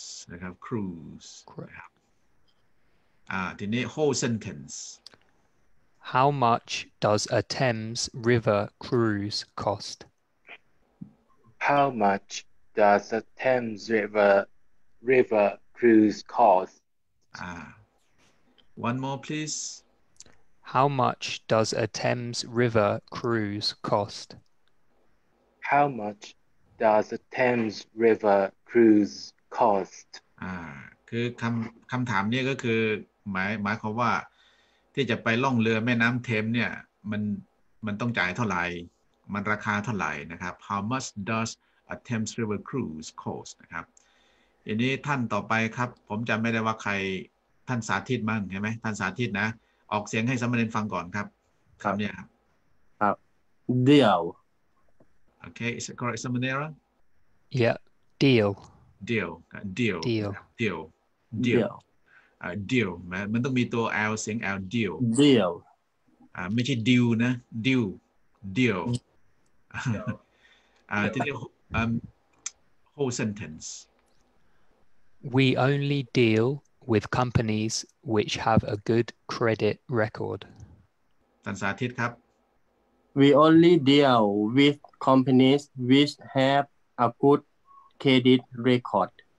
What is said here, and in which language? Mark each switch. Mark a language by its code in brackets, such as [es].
[th] นะครับ cruise ครับทีนี้ [en] whole sentence How much does a Thames River cruise cost? How much does a Thames River cruise cost? One more, please. How much does a Thames River cruise cost? How much does a Thames River cruise cost? [th] คือคำถามนี้ก็คือหมายความว่าที่จะไปล่องเรือแม่น้ำเทมเนี่ยมันต้องจ่ายเท่าไหร่มันราคาเท่าไหร่นะครับ [en] How much does a Thames River cruise cost [th] นะครับอันนี้ท่านต่อไปครับผมจำไม่ได้ว่าใครท่านสาธิตมั่งใช่ไหมท่านสาธิตนะออกเสียงให้สามเณรฟังก่อนครับคำเนี่ย ครับเดียว [en] โอเค is it correct สามเณร yeah deal deal deal deal deal, deal. [th] Deal มันต้องมีตัว L เสียง L deal [en] deal [th] ไม่ใช่ deal นะ deal deal ทีนี้ [en] whole sentence we only deal with companies which have a good credit record [th] ท่านสาธิตครับ [en] we only deal with companies which have a good credit record